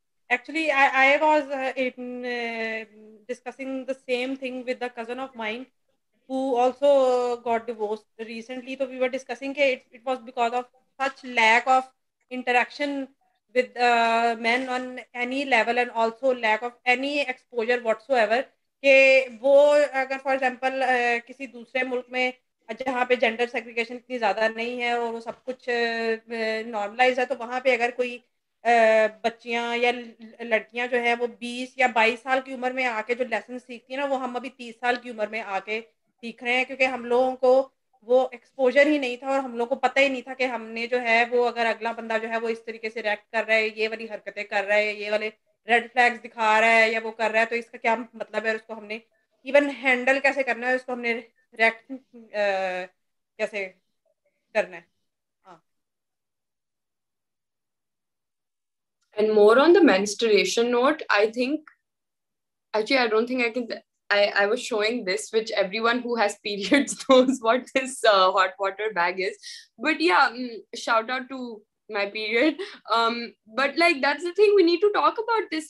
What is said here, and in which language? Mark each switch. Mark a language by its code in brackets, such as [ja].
[en] Actually, I was discussing the same thing with a cousin of mine who also got divorced recently. So we were discussing it was because of such lack of interaction with men on any level and also lack of any exposure whatsoever. [hi] कि वो अगर [en] for example [hi] किसी दूसरे मुल्क में जहाँ पे gender segregation इतनी ज़्यादा नहीं है और वो सब कुछ नॉर्मलाइज है, तो वहाँ पे अगर कोई बच्चियाँ या लड़कियाँ जो है वो 20 या 22 साल की उम्र में आके जो लेसन सीखती हैं ना, वो हम अभी 30 साल की उम्र में आके सीख रहे हैं, क्योंकि हम लोगों को वो एक्सपोजर ही नहीं था और हम लोगों को पता ही नहीं था कि हमने जो है वो अगर अगला बंदा जो है वो इस तरीके से रिएक्ट कर रहा है, ये वाली हरकतें कर रहा है, ये वाले रेड फ्लैग्स दिखा रहा है या वो कर रहा है, तो इसका क्या मतलब है, उसको हमने इवन हैंडल कैसे करना है, उसको हमने रिएक्ट कैसे करना है. [en] And more on the menstruation note, I think, actually, I don't think I can, I was showing this, which everyone who has periods knows what this hot water bag is. But yeah, shout out to my period. But like, that's the thing, we need to talk about this.